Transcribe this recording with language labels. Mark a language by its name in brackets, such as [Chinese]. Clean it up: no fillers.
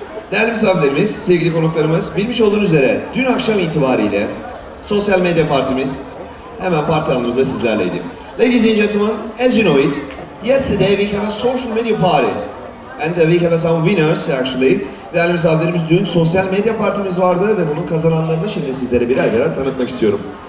[Turkish] Değerli misafirlerimiz, sevgili konuklarımız, bilmiş olduğunuz üzere dün akşam itibariyle sosyal medya partimiz hemen parti alanımızda sizlerleydi. [English] Ladies and gentlemen, as you know it, yesterday we had a social media party. And we have some winners actually. [Turkish] Değerli misafirlerimiz, dün sosyal medya partimiz vardı ve bunun kazananlarını şimdi sizlere birer birer tanıtmak istiyorum.